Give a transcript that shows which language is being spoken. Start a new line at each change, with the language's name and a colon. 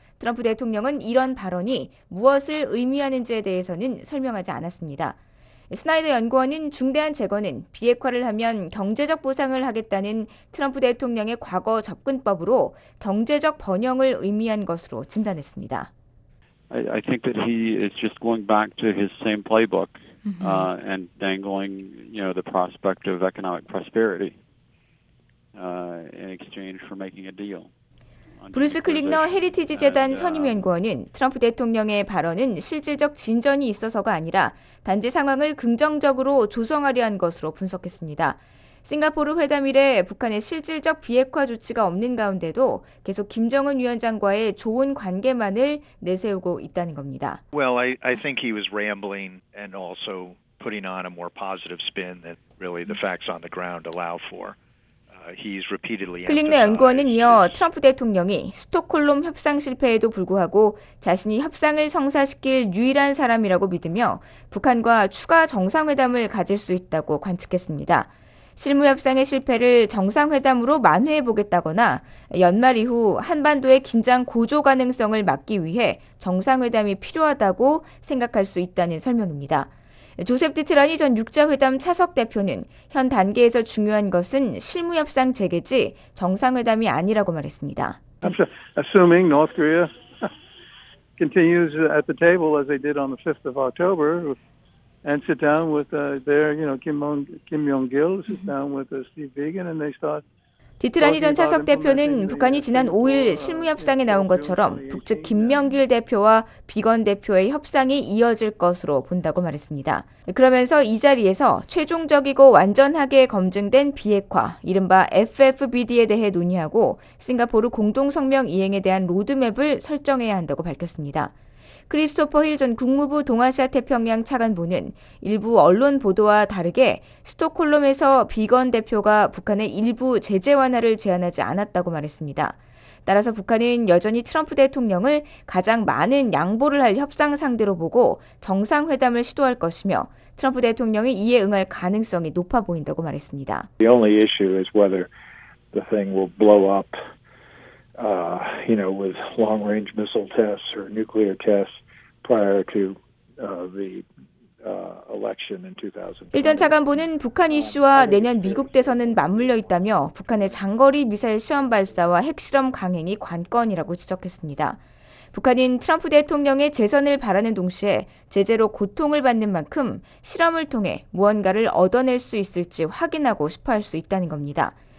Korean: 트럼프 대통령은 이런 발언이 무엇을 의미하는지에 대해서는 설명하지 않았습니다. 스나이더 연구원은 중대한 재건은 비핵화를 하면 경제적 보상을 하겠다는 트럼프 대통령의 과거 접근법으로 경제적 번영을 의미한 것으로 진단했습니다.
English: I think that he is just going back to his same playbook and dangling, you know, the prospect of economic prosperity in exchange for making a deal.
Korean: 브루스 클릭너 헤리티지 재단 선임연구원은 트럼프 대통령의 발언은 실질적 진전이 있어서가 아니라 단지 상황을 긍정적으로 조성하려 한 것으로 분석했습니다. 싱가포르 회담 이래 북한의 실질적 비핵화 조치가 없는 가운데도 계속 김정은 위원장과의 좋은 관계만을 내세우고 있다는 겁니다.
English: Well, I think he was rambling and also putting on a more positive spin than really the facts on the ground allow for.
Korean: 클릭너 연구원은 이어 트럼프 대통령이 스톡홀름 협상 실패에도 불구하고 자신이 협상을 성사시킬 유일한 사람이라고 믿으며 북한과 추가 정상회담을 가질 수 있다고 관측했습니다. 실무 협상의 실패를 정상회담으로 만회해보겠다거나 연말 이후 한반도의 긴장 고조 가능성을 막기 위해 정상회담이 필요하다고 생각할 수 있다는 설명입니다. 조셉 디트라니 전 6자회담 차석 대표는 현 단계에서 중요한 것은 실무협상 재개지 정상회담이 아니라고 말했습니다.
English: Assuming North Korea continues at the table as they did on the 5th of October and sit down with their, you know, Kim Jong-il, sit down with Steve Biegun and they start
Korean: 디트라니 전 차석 대표는 북한이 지난 5일 실무협상에 나온 것처럼 북측 김명길 대표와 비건 대표의 협상이 이어질 것으로 본다고 말했습니다. 그러면서 이 자리에서 최종적이고 완전하게 검증된 비핵화, 이른바 FFBD에 대해 논의하고 싱가포르 공동성명 이행에 대한 로드맵을 설정해야 한다고 밝혔습니다. 크리스토퍼 힐 전 국무부 동아시아 태평양 차관보는 일부 언론 보도와 다르게 스톡홀름에서 비건 대표가 북한의 일부 제재 완화를 제안하지 않았다고 말했습니다. 따라서 북한은 여전히 트럼프 대통령을 가장 많은 양보를 할 협상 상대로 보고 정상회담을 시도할 것이며 트럼프 대통령이 이에 응할 가능성이 높아 보인다고 말했습니다.
English: The only issue is whether the thing will blow up. You know, with long-range missile tests or nuclear tests prior to the election in 2000.
Korean: 일전 차관보는 북한 이슈와 내년 미국 대선은 맞물려 있다며 북한의 장거리 미사일 시험 발사와 핵실험 강행이 관건이라고 지적했습니다. 북한은 트럼프 대통령의 재선을 바라는 동시에 제재로 고통을 받는 만큼 실험을 통해 무언가를 얻어낼 수 있을지 확인하고 싶어할 수 있다는 겁니다.